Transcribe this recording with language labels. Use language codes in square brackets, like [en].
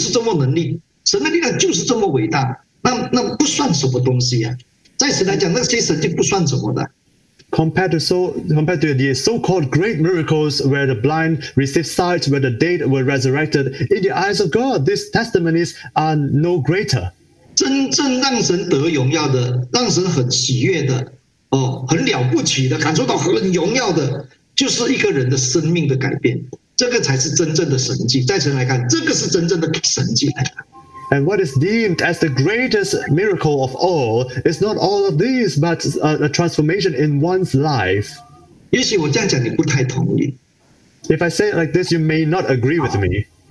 [zh] 所以，我们的福音啊，使人复活啊，那个瞎眼看见啊，瞎子，那个在神来讲没有什么了不起的，因为神的力量就是这么能力，神的力量就是这么伟大，那不算什么东西啊，在神来讲，那些神就不算什么的。 [en] compared to the so-called great miracles where the blind received sight, where the dead were resurrected, in the eyes of God, these testimonies are no greater. [zh] 真正让神得荣耀的, 让神很喜悦的, 哦, 很了不起的, 感受到很荣耀的, 就是一个人的生命的改变, 这个才是真正的神迹, 再次来看, 这个是真正的神迹来的。 [en] And what is deemed as the greatest miracle of all is not all of these, but a transformation in one's life. [zh] 也许我这样讲你不太同意。 [en] If I say it like this, you may not agree with me.